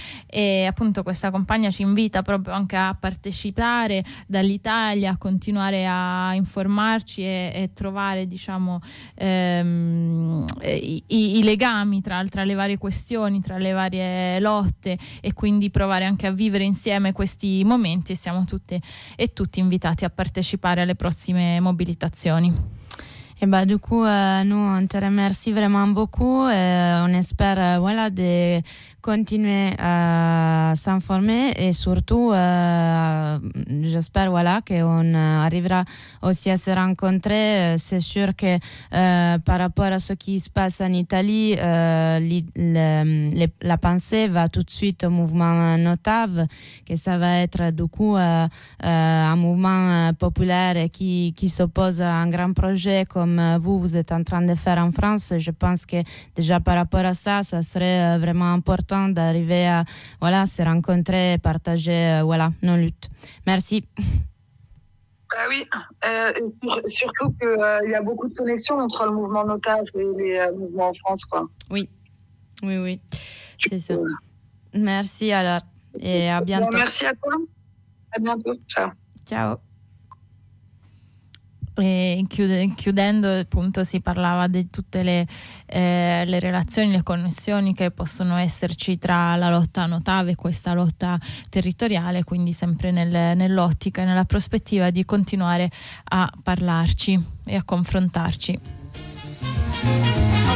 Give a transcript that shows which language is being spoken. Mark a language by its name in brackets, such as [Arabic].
[Italian] E appunto questa compagna ci invita proprio anche a partecipare dall'Italia, a continuare a informarci e trovare diciamo i legami tra le varie questioni, tra le varie lotte e quindi provare anche a vivere insieme questi momenti. Siamo tutte e tutti invitati a partecipare alle prossime mobilitazioni. [French] Et bah, du coup, nous, on te remercie vraiment beaucoup. On espère, de continuer à s'informer et surtout, j'espère, qu'on arrivera aussi à se rencontrer. C'est sûr que par rapport à ce qui se passe en Italie, la pensée va tout de suite au mouvement NOTAV, que ça va être, du coup, un mouvement populaire qui s'oppose à un grand projet comme vous êtes en train de faire en France. Je pense que déjà par rapport à ça, ça serait vraiment important d'arriver à se rencontrer et partager nos luttes. Merci. Ah oui, surtout qu'il y a beaucoup de connexions entre le mouvement NOTAV et les mouvements en France, quoi. Oui, c'est ça. Merci alors et à bientôt. Bon, merci à toi. À bientôt. Ciao. [Italian] Ciao. E chiudendo appunto si parlava di tutte le relazioni, le connessioni che possono esserci tra la lotta NOTAV e questa lotta territoriale, quindi sempre nell'ottica e nella prospettiva di continuare a parlarci e a confrontarci.